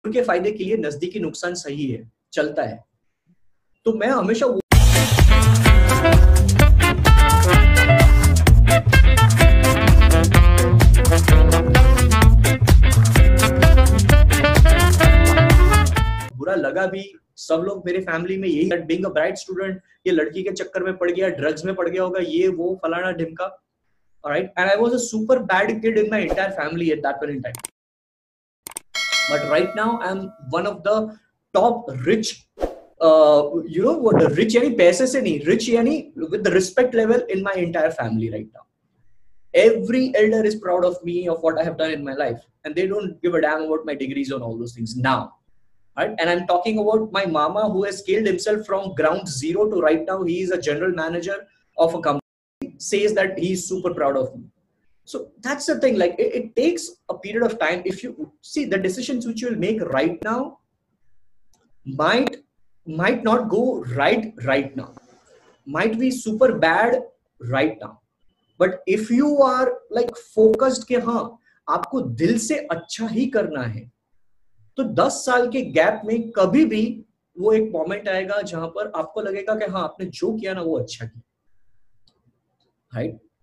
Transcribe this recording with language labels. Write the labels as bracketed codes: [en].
[hi] उनके फायदे के लिए नजदीकी नुकसान सही है, चलता है। तो मैं हमेशा वो बुरा लगा भी, सब लोग मेरे फैमिली में यही, [en] being a bright student, [hi] ये लड़की के चक्कर में पड़ गया, ड्रग्स में पड़ गया होगा, ये वो फलाना ढिमका, right? [en] and I was a super bad kid in my entire family at that point in time, but right now I am one of the top rich, you know what rich, [hi] यानी पैसे से नहीं, [en] Rich यानी with the respect level in my entire family right now. Every elder is proud of me, of what I have done in my life, and they don't give a damn about my degrees and all those things now. Right? And I'm talking about my mama, who has scaled himself from ground zero to right now, he is a general manager of a company, says that he's super proud of me. So that's the thing, like it takes a period of time. If you see the decisions which you will make right now might not go right now, might be super bad right now. But if you are like focused [hi] के हाँ आपको दिल से अच्छा ही करना है, तो 10 साल के गैप में कभी भी वो एक मोमेंट आएगा जहां पर आपको लगेगा कि हाँ आपने जो किया ना वो अच्छा किया, राइट?